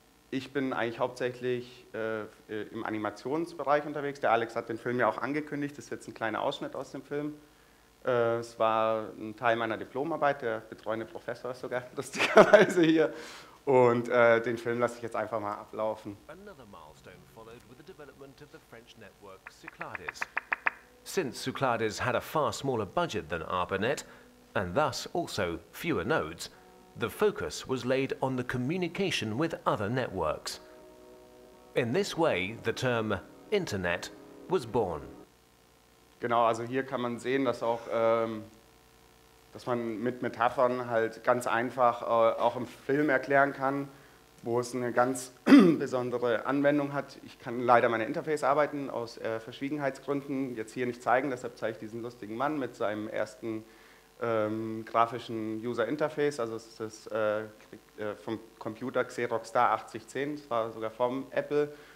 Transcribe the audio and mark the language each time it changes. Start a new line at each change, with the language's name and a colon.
German: Ich bin eigentlich hauptsächlich im Animationsbereich unterwegs. Der Alex hat den Film ja auch angekündigt. Das ist jetzt ein kleiner Ausschnitt aus dem Film. Es war ein Teil meiner Diplomarbeit, der betreuende Professor ist sogar lustigerweise hier. Und den Film lasse ich jetzt einfach mal ablaufen.
English: Another milestone followed with the development of the French network Cyclades. Since Cyclades had a far smaller budget than ARPANET and thus also fewer nodes, the focus was laid on the communication with other networks. In this way, the term Internet was born.
German: Genau, also hier kann man sehen, dass auch, dass man mit Metaphern halt ganz einfach auch im Film erklären kann, wo es eine ganz besondere Anwendung hat. Ich kann leider meine Interface-Arbeiten aus Verschwiegenheitsgründen jetzt hier nicht zeigen, deshalb zeige ich diesen lustigen Mann mit seinem ersten grafischen User-Interface, also es ist das vom Computer Xerox Star 8010, das war sogar vom Apple.